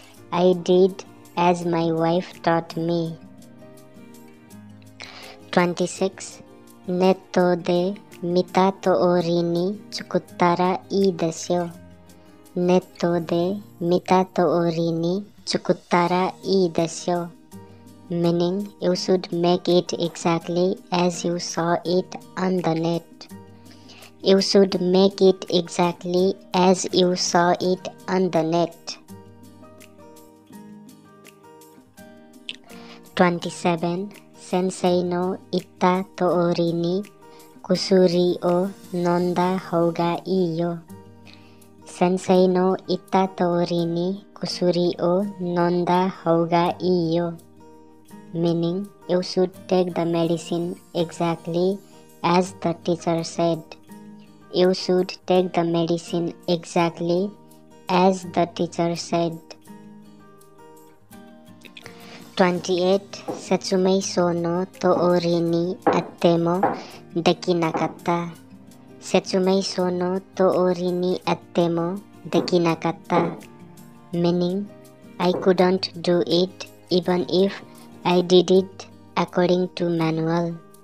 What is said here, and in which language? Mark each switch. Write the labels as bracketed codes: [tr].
[en] I did as my wife taught me. 26. [ja] ネットで見た通りに作ったらいいですよ。ネットで見た通りに作ったらいいですよ。 [en] Meaning, you should make it exactly as you saw it on the net. You should make it exactly as you saw it on the net. 27. [ja] 先生の言った通りに薬を飲んだ方がいいよ。先生の言った通りに薬を飲んだ方がいいよ。 [en] Meaning, you should take the medicine exactly as the teacher said. You should take the medicine exactly as the teacher said. 28. [ja] 説明書の通りにあってもできなかった。説明書の通りにあってもできなかった。 [en] meaning I couldn't do it even if I did it according to manual.